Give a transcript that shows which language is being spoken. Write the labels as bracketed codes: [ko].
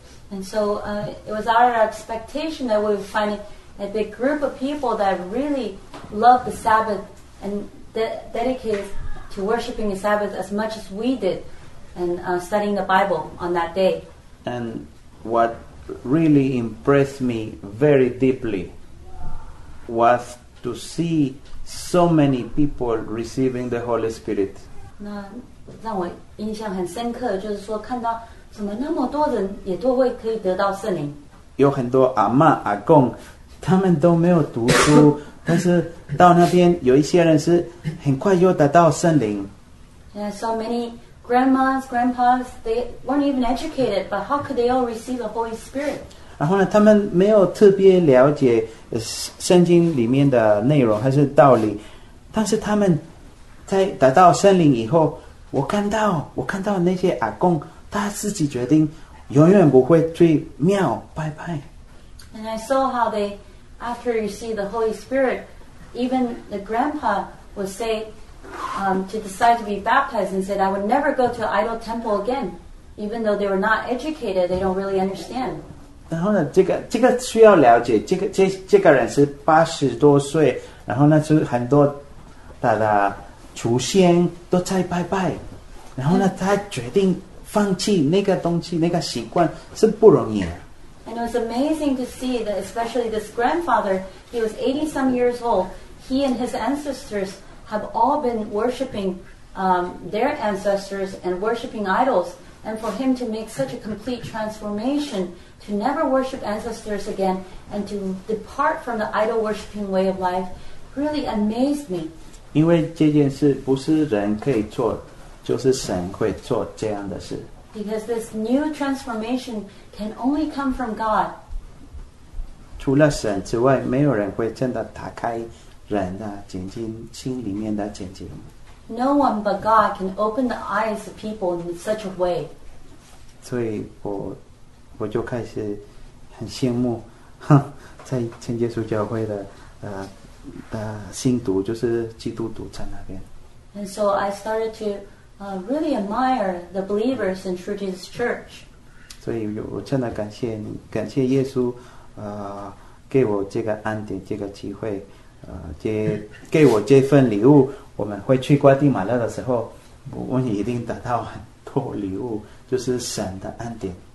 [en] And so it was our expectation that we would find a big group of people that really loved the Sabbath and dedicated to worshiping the Sabbath as much as we did and studying the Bible on that day. And what really impressed me very deeply was to see so many people receiving the Holy Spirit. [zh] 那让我印象很深刻就是说看到怎么那么多人也都会可以得到圣灵有很多阿嬷阿公他们都没有读书但是到那边有一些人是很快又得到圣灵 [en] And so many grandmas, grandpas, they weren't even educated, but how could they all receive the Holy Spirit? [zh] 然后呢，他们没有特别了解圣经里面的内容还是道理，但是他们在得到圣灵以后，我看到那些阿公，他自己决定永远不会去庙拜拜。 [en] And I saw how they, after you see the Holy Spirit, even the grandpa would say, to decide to be baptized and said, I would never go to an idol temple again. Even though they were not educated, they don't really understand. [zh] 然后呢，这个需要了解。这个人是80多岁，然后呢，就很多他的祖先都在拜拜，然后呢，他决定放弃那个东西，那个习惯是不容易的。 [en] And it was amazing to see that, especially this grandfather, he was 80-some years old. He and his ancestors have all been worshiping, their ancestors and worshiping idols. And for him to make such a complete transformation. To never worship ancestors again and to depart from the idol worshiping way of life really amazed me. [zh] 因为这件事不是人可以做，就是神会做这样的事。 [en] Because this new transformation can only come from God. [zh] 除了神之外，没有人会真的打开人的眼睛，心里面的眼睛。 [en] No one but God can open the eyes of people in such a way. [zh] 所以我就开始很羡慕，哼，在天主教会的信徒，就是基督徒在那边。 [en] And so I started to really admire the believers in True Jesus Church. [zh] 所以我真的感谢你，感谢耶稣，给我这个恩典，这个机会，给我这份礼物。我们会去瓜地马拉的时候，我一定得到很多礼物，就是神的恩典。